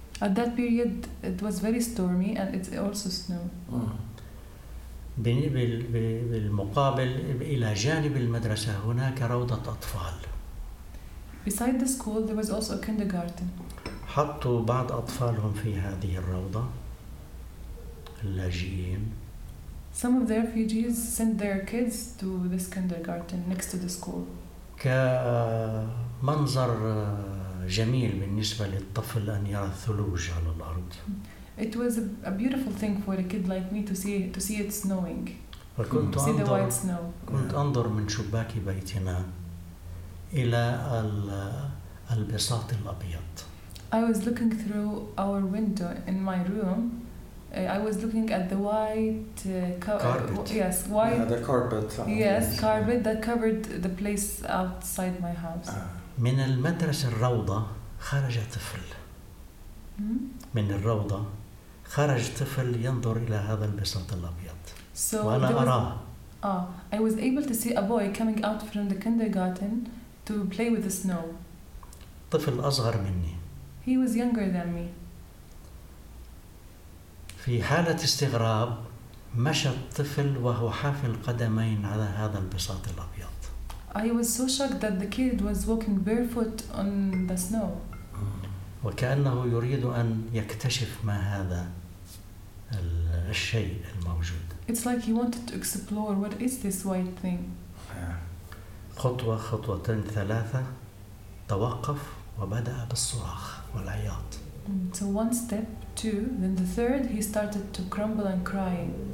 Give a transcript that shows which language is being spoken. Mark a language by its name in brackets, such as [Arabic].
[English] At that period it was very stormy and it also snowed. [Arabic] بالمقابل إلى جانب المدرسة هناك روضة أطفال. [English] Beside the school there was also a kindergarten. [Arabic] حطوا بعض أطفالهم في هذه الروضة. اللاجئين. [English] Some of the refugees sent their kids to this kindergarten next to the school. [Arabic] كمنظر جميل بالنسبة للطفل أن يرى الثلوج على الأرض. [English] It was a beautiful thing for a kid like me to see it snowing. [Arabic] وكنت [English] see [Arabic] أنظر, [English] the white snow. [Arabic] كنت أنظر من شباك بيتنا إلى البساط الأبيض. [English] I was looking through our window in my room. I was looking at the white carpet. Yes, white. Yeah, the carpet. Yes, carpet that covered the place outside my house. [Arabic] من المدرسة الروضة خرج طفل. من الروضة خرج طفل ينظر إلى هذا البساط الأبيض. [English] So [Arabic] وأنا أراه. [English] I was able to see a boy coming out from the kindergarten to play with the snow. [Arabic] طفل أصغر مني. [English] He was younger than me. [Arabic] في حالة استغراب مشى الطفل وهو حافل قدمين على هذا البساط الأبيض. [English] I was so shocked that the kid was walking barefoot on the snow. [Arabic] وكأنه يريد أن يكتشف ما هذا الشيء الموجود. [English] It's like he wanted to explore what is this white thing. [Arabic] خطوة خطوتين ثلاثة توقف وبدأ بالصراخ والعياط. [English] So one step, two, then the third, he started to crumble and cry.